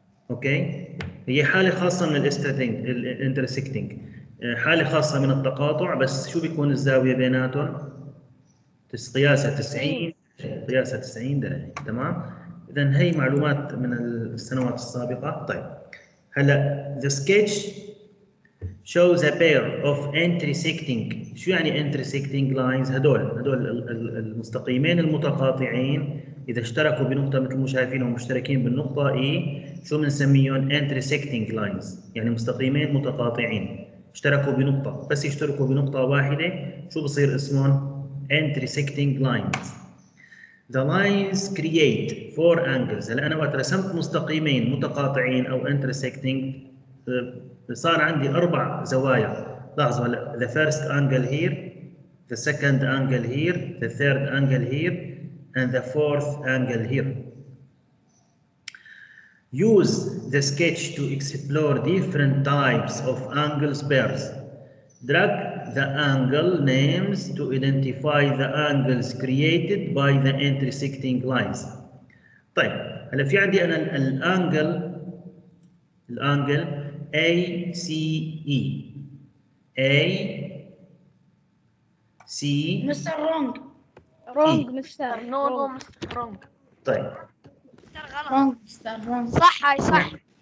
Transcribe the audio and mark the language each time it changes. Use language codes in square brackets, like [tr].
[ar] Okay. هي حالة خاصة من الانترسكتينج. حالة خاصة من التقاطع بس شو بيكون الزاوية بيناتهم؟ قياسة 90. قياسة 90 درجة. تمام؟ إذن هي معلومات من السنوات السابقة. طيب هلا [en] the sketch shows a pair of intersecting. [ar] شو يعني intersecting lines؟ هدول المستقيمين المتقاطعين إذا اشتركوا بنقطة مثل ما شايفين هم مشتركين بالنقطة E شو بنسميهم intersecting lines؟ يعني مستقيمين متقاطعين اشتركوا بنقطة بس يشتركوا بنقطة واحدة شو بصير اسمهم intersecting lines. [en] The lines create four angles. [ar] هلا أنا وقت رسمت مستقيمين متقاطعين أو intersecting صار عندي أربع زوايا. لاحظوا هلا [en] the first angle here, the second angle here, the third angle here, and the fourth angle here. Use the sketch to explore different types of angles pairs. Drag the angle names to identify the angles created by the intersecting lines. [ar] طيب هلا في عندي انا الانجل ACE. AC [en] mister wrong wrong mister no no mister wrong [ar] طيب مستر غلط [en] mister wrong [ar] صح هاي صح